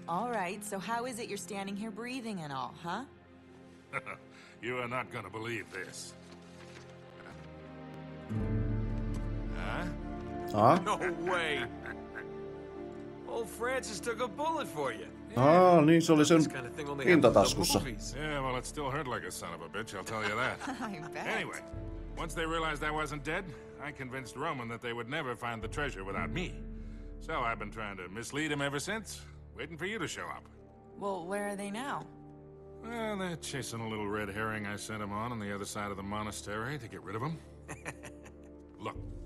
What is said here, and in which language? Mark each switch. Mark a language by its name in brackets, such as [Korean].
[English] All right, so how is it you're standing here breathing and all, huh? You are not gonna believe this. Huh? No way. Old Francis took a bullet for you. Yeah. [Finnish] Niin se oli sen hintataskussa. [English] Yeah, well, it still hurt like a son of a bitch, I'll tell you that. I bet. Anyway, once they realized I wasn't dead, I convinced Roman that they would never find the treasure without me. So I've been trying to mislead him ever since, waiting for you to show up. Well, where are they now? Well, they're chasing a little red herring I sent him on the other side of the monastery to get rid of him. Look.